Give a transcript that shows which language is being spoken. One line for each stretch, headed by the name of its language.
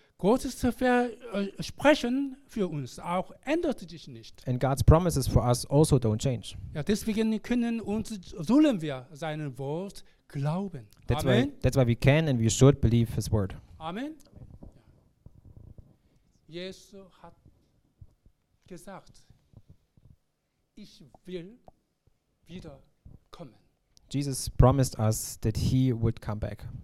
German: Gottes Versprechen für uns auch ändert sich nicht.
English: And God's promises for us also don't change.
German: Ja, deswegen können und sollen wir seinem Wort glauben.
English: That's Amen. That's why we can and we should believe his word. Amen.
German: Jesus hat gesagt, ich will wiederkommen.
English: Jesus promised us that he would come back.